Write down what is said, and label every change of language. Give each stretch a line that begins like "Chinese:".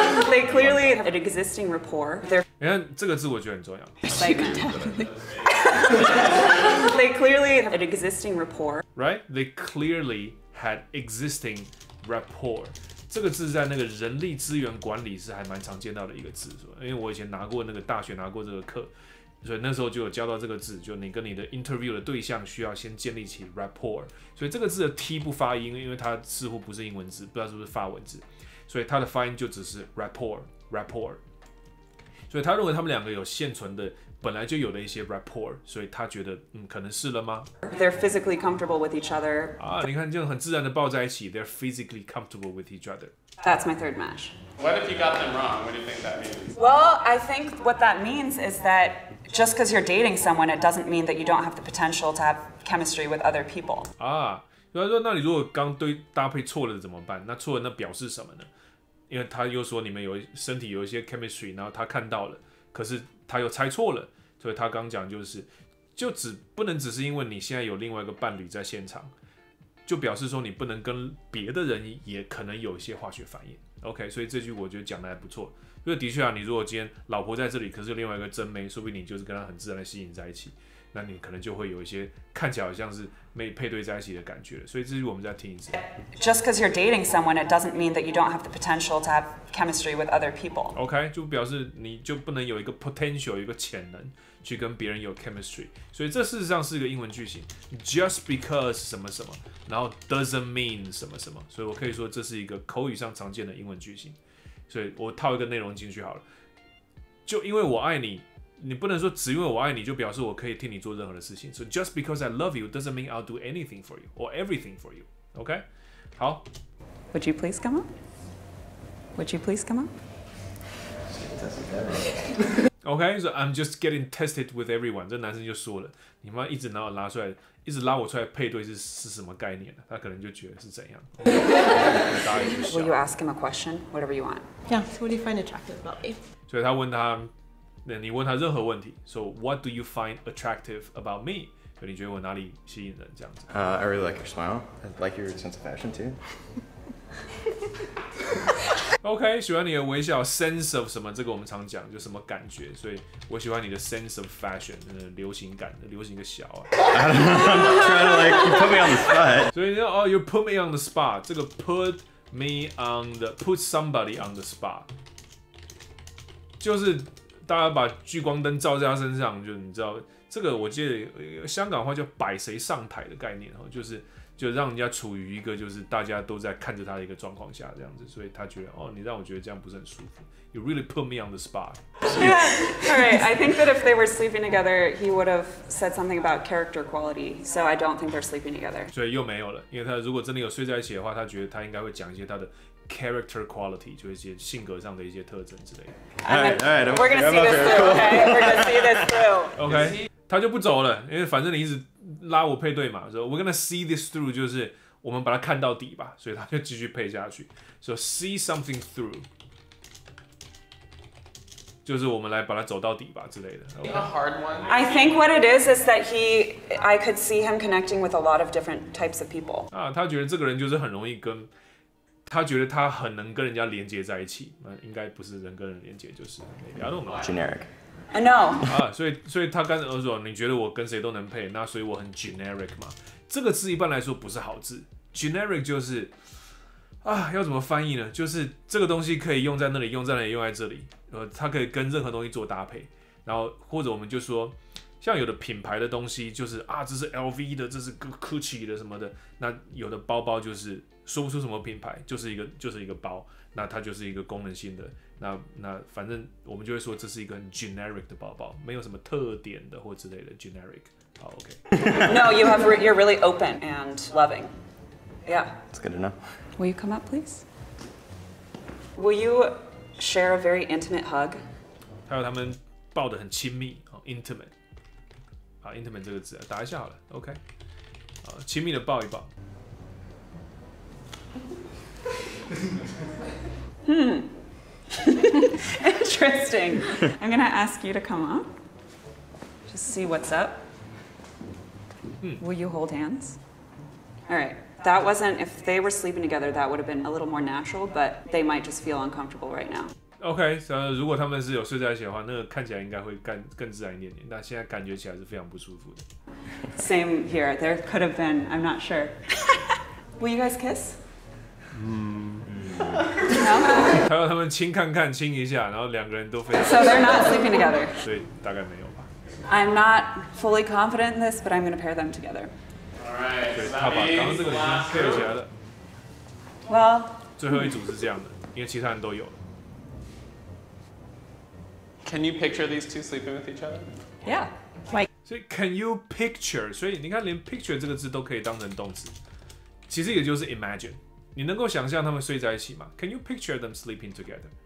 English: They clearly have an existing rapport. They're.
Chinese: 你看这个字我觉得很重要。
English: Excitement. They clearly have an existing rapport. Right? They clearly had existing rapport.
Chinese: 这个字在那个人力资源管理是还蛮常见到的一个字，因为我以前拿过那个大学拿过这个课，所以那时候就有教到这个字，就你跟你的 interview 的对象需要先建立起 rapport， 所以这个字的 T 不发音，因为它似乎不是英文字，不知道是不是法文字，所以它的发音就只是 rapport， 所以他认为他们两个有现存的本来就有了一些 rapport， 所以他觉得嗯，可能是了吗？
English: They're physically comfortable with each other.
Chinese: 啊，你看这样很自然的抱在一起。
English: They're physically comfortable with each other. That's my third match. What if you got them wrong? What do you think that means? Well, I think what that means is that just because you're dating someone, it doesn't mean that you don't have the potential to have chemistry with other people.
Chinese: 啊，所以说，那你如果刚对搭配错了怎么办？那错了那表示什么呢？因为他又说你们有身体有一些 chemistry， 然后他看到了，可是。他又猜错了，所以他刚讲就是，就只不能只是因为你现在有另外一个伴侣在现场，就表示说你不能跟别的人也可能有一些化学反应。 OK， 所以这句我觉得讲的还不错，因为的确啊，你如果今天老婆在这里，可是有另外一个真妹，说不定你就是跟她很自然的吸引在一起，那你可能就会有一些看起来好像是没配对在一起的感觉。所以这句我们再听一次。
English: Just because you're dating someone, it doesn't mean that you don't have the potential to have chemistry with other people.
Chinese: OK， 就表示你就不能有一个 potential， 一个潜能去跟别人有 chemistry。所以这事实上是一个英文句型 ，
English: just because
Chinese: 什么什么，然后
English: doesn't mean
Chinese: 什么什么。所以我可以说这是一个口语上常见的英文句型。所以我套一个内容进去好了，就因为我爱你。你不能说只因为我爱你就表示我可以替你做任何的事情。
English: So just because I love you doesn't mean I'll do anything for you or everything for you.
Chinese: OK， 好。
English: Would you please come up? Would you please come up? OK， so I'm just getting tested with everyone.
Chinese: 这男生就说了，你妈一直拿我拉出来，一直拉我出来配对是什么概念呢？他可能就觉得是怎样。
English: Will you ask him a question? Whatever you want. Yes. What do you find attractive about me?
Chinese: 所以他问他。那你问他任何问题
English: ，So what do you find attractive about me？
Chinese: 就你觉得我哪里吸引人这样子
English: ？I really like your smile. I like your sense of fashion too.
Chinese: OK， 喜欢你的微笑 ，
English: sense of
Chinese: 什么？这个我们常讲，就什么感觉。所以我喜欢你的
English: sense of fashion，
Chinese: 流行感，流行个小啊。
English: I'm trying to like you put me on the spot.
Chinese: 所以你说哦 ，
English: you put me on the spot，
Chinese: 这个
English: put me on the put somebody on the spot，
Chinese: 就是。大家把聚光灯照在他身上，就你知道这个，我记得、香港话叫摆谁上台的概念，就是就让人家处于一个就是大家都在看着他的一个状况下这样子，所以他觉得哦，你让我觉得这样不是很舒服。
English: You really put me on the spot. Yeah, all right. I think that if they were sleeping together, he would have said something about character quality. So I don't think they're sleeping together.
Chinese: 所以又没有了，因为他如果真的有睡在一起的话，他觉得他应该会讲一些他的。
English: Character quality
Chinese: 就一些性格上的一些特征之类的。
English: We're gonna see this through, okay? We're gonna see this through.
Chinese: OK， 他就不走了，因为反正你一直拉我配对嘛。所以
English: we're gonna see this through
Chinese: 就是我们把它看到底吧。所以他就继续配下去。
English: So see something through，
Chinese: 就是我们来把它走到底吧之类的。
English: Okay. A hard one. I think what it is that I could see him connecting with a lot of different types of people.
Chinese: 啊，他觉得这个人就是很容易跟。他觉得他很能跟人家连接在一起，那应该不是人跟人连接，就是
English: maybe I don't know generic. No.
Chinese: 啊，所以他刚才说，你觉得我跟谁都能配，那所以我很 generic 嘛？这个字一般来说不是好字 ，generic 就是啊，要怎么翻译呢？就是这个东西可以用在那里，用在那里，用在这里，它可以跟任何东西做搭配，然后或者我们就说。像有的品牌的东西就是啊，这是 LV 的，这是 Gucci 的什么的。那有的包包就是说不出什么品牌，就是一个包，那它就是一个功能性的。那反正我们就会说这是一个很 generic 的包包，没有什么特点的或之类的 generic。好 ，OK。
English: No, you have you're really open and loving. Yeah. It's good enough. Will you come up, please? Will you share a very intimate hug?
Chinese: 还有他们抱得很亲密啊 ，intimate。好 ，intimate 这个字打一下好了 ，OK， 亲密的抱一抱。
English: Interesting. I'm gonna ask you to come up. Just see what's up. Will you hold hands? All right. That wasn't, if they were sleeping together, that would have been a little more natural, but they might just feel uncomfortable right now. Okay, so
Chinese: 如果他们是有睡在一起的话，那个看起来应该会更自然一点点。但现在感觉起来是非常不舒服的。
English: Same here. There could have been. I'm not sure. Will you guys kiss? No.
Chinese: 还有他们亲看看，亲一下，然后两个人都非常。
English: So they're not sleeping together.
Chinese: 所以大概没有吧。
English: I'm not fully confident in this, but I'm going to pair them together. All right.
Chinese: 他把刚刚这个已经 pair 起来
English: 了。Well.
Chinese: 最后一组是这样的，因为其他人都有了。
English: Can you picture these two sleeping with each other? Yeah. Like.
Chinese: 所以
English: can you picture?
Chinese: 所以你看，连 picture 这个字都可以当成动词，其实也就是 imagine。你能够想象他们睡在一起吗 ？
English: Can you picture them sleeping together?